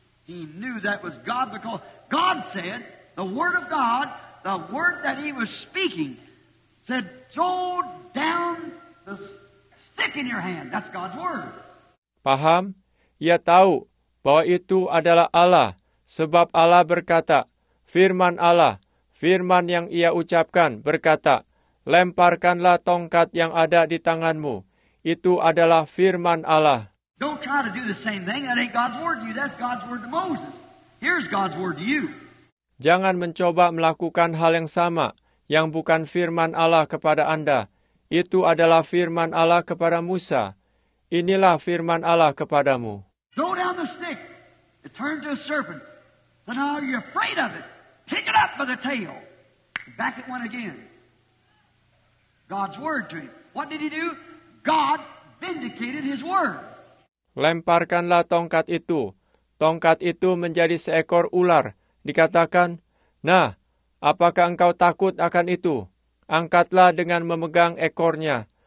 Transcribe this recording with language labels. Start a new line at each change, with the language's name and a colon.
English: He knew that was God because God said, the word of God, the word that he was speaking, said, throw down the stick in your hand. That's God's word.
Indonesian: Paham? Ia tahu bahwa itu adalah Allah. Sebab Allah berkata, firman Allah, firman yang ia ucapkan berkata, lemparkanlah tongkat yang ada di tanganmu. Itu adalah firman Allah.
English: Don't try to do the same thing. That ain't God's word to you. That's God's word to Moses. Here's God's word to you.
Indonesian: Jangan mencoba melakukan hal yang sama yang bukan firman Allah kepada Anda. Itu adalah firman Allah kepada Musa. Inilah firman Allah kepadamu.
English: Throw down the stick. It turned to a serpent. So now you're afraid of it. Pick it up by the tail. Back it went again. God's word to him. What did he do? God vindicated his word.
Indonesian: Lemparkanlah tongkat itu. Tongkat itu menjadi seekor ular. Dikatakan, nah, apakah engkau takut akan itu? Angkatlah dengan memegang ekornya.